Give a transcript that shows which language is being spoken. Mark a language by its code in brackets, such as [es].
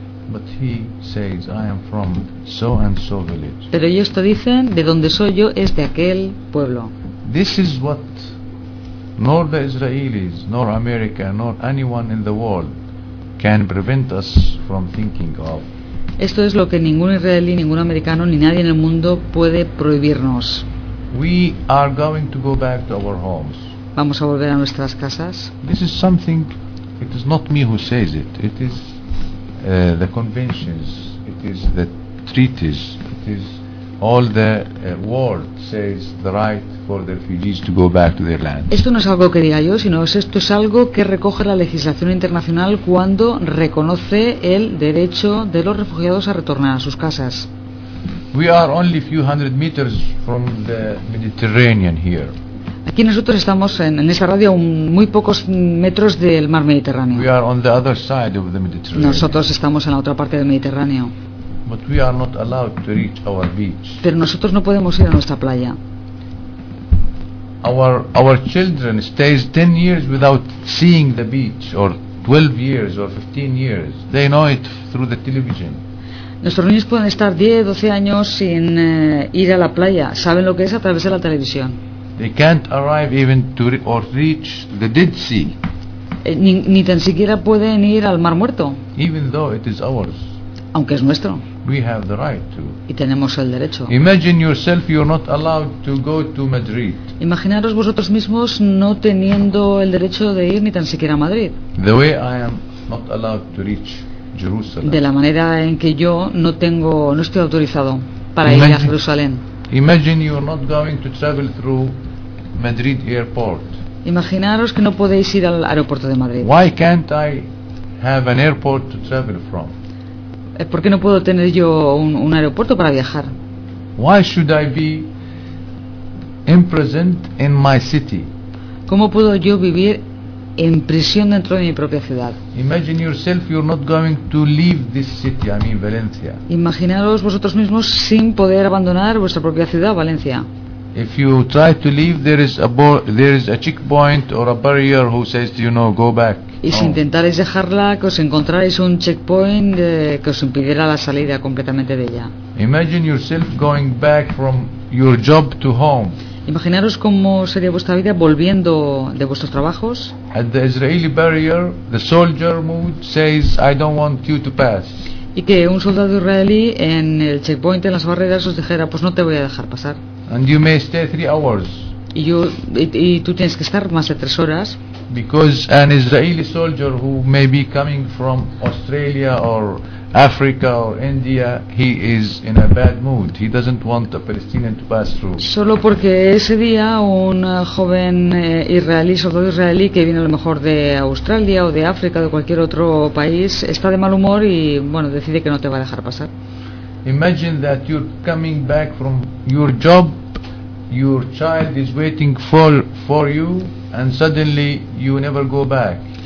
[en] But he says, I am from so and so village. [es] Pero ellos te dicen, de dónde soy yo es de aquel pueblo. [en] This is what nor the Israelis, nor America, nor anyone in the world can prevent us from thinking of. [es] Esto es lo que ningún israelí, ningún americano, ni nadie en el mundo puede prohibirnos. [en] We are going to go back to our homes. [es] Vamos a volver a nuestras casas. [en] This is something, it is not me who says it. It is the conventions, it is the treaties, it is All the world says the right for the refugees to go back to their land. [es] Esto no es algo que diga yo, sino esto es algo que recoge la legislación internacional cuando reconoce el derecho de los refugiados a retornar a sus casas. [en] We are only a few hundred meters from the Mediterranean here. [es] Aquí nosotros estamos en esta radio a muy pocos metros del mar Mediterráneo. [en] We are on the other side of the Mediterranean. [es] Nosotros estamos en la otra parte del Mediterráneo. [en] But we are not allowed to reach our beach. [es] Pero nosotros no podemos ir a nuestra playa. [en] Our children stays 10 years without seeing the beach, or 12 years, or 15 years. They know it through the television. [es] Nuestros niños pueden estar 10, 12 años sin ir a la playa. Saben lo que es a través de la televisión. [en] They can't arrive even to or reach the Dead Sea. [es] Ni tan siquiera pueden ir al Mar Muerto. [en] Even though it is ours. [es] Aunque es nuestro. [en] We have the right to. [es] Y tenemos el derecho. [en] Imagine yourself you're not allowed to go to Madrid. [es] Imaginaros vosotros mismos no teniendo el derecho de ir ni tan siquiera a Madrid. [en] The way I am not allowed to reach Jerusalem. [es] De la manera en que yo no estoy autorizado para ir a Jerusalén. [en] Imagine you're not going to travel through Madrid airport. [es] Imaginaros que no podéis ir al aeropuerto de Madrid. [en] Why can't I have an airport to travel from? [es] ¿Por qué no puedo tener yo un aeropuerto para viajar? [en] Why should I be imprisoned in my city? [es] ¿Cómo puedo yo vivir en prisión dentro de mi propia ciudad? [en] Imagine yourself you're not going to leave this city, I mean Valencia. [es] Imaginaros vosotros mismos sin poder abandonar vuestra propia ciudad, Valencia. [en] If you try to leave, there is a checkpoint or a barrier who says, you know, go back. [es] Y si intentáis dejarla, que os encontráis un checkpoint que os impidiera la salida completamente de ella. [en] Imagine yourself going back from your job to home. [es] Imaginaros cómo sería vuestra vida volviendo de vuestros trabajos. [en] At the Israeli barrier, the soldier mood says, I don't want you to pass. [es] Y que un soldado israelí en el checkpoint, en las barreras, os dijera, pues no te voy a dejar pasar. [en] And you may stay 3 hours. [es] Y tú tienes que estar más de 3 horas. [en] Because an Israeli soldier who may be coming from Australia or Africa or India, he is in a bad mood. He doesn't want a Palestinian to pass through. [es] Solo porque ese día un joven israelí, soldado israelí que viene a lo mejor de Australia o de África o de cualquier otro país, está de mal humor y bueno, decide que no te va a dejar pasar. [en] Imagine that you're coming back from your job, your child is waiting for you, and suddenly you never go back.